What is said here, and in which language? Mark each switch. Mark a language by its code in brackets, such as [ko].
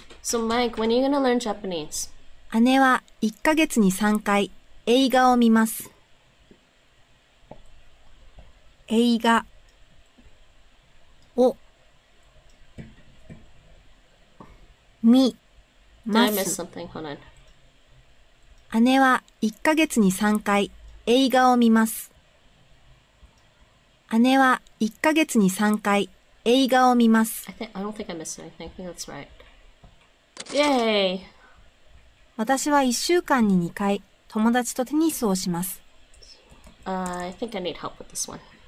[en] So, Mike, when are you going to learn Japanese? [ja] 姉は1ヶ月に3回映画を見ます。映画を見ます。 [en] I missed something. Hold on. [ja] 姉は1ヶ月に3回映画を見ます。姉は1ヶ月に3回映画を見ます。 [en] I think, I don't think I missed anything. I think that's right. Yay! [ja] 私は1週間に2回友達とテニスをします。 [en] I think I need help with this one.